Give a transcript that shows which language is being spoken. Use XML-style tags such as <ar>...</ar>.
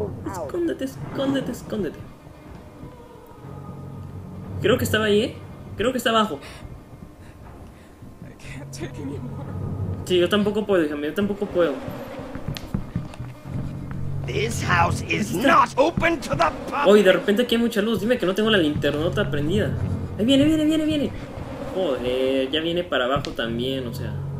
<es>Escóndete, escóndete, escóndete. Creo que estaba ahí, ¿eh? Creo que está abajo. Sí, yo tampoco puedo, hija mía, yo tampoco puedo.</es> <en>This house is not open to the public.</en> <es>Oye, de repente aquí hay mucha luz, dime que no tengo la linternota prendida. Ahí viene, viene, viene, viene. Joder, ya viene para abajo también, o sea.</es>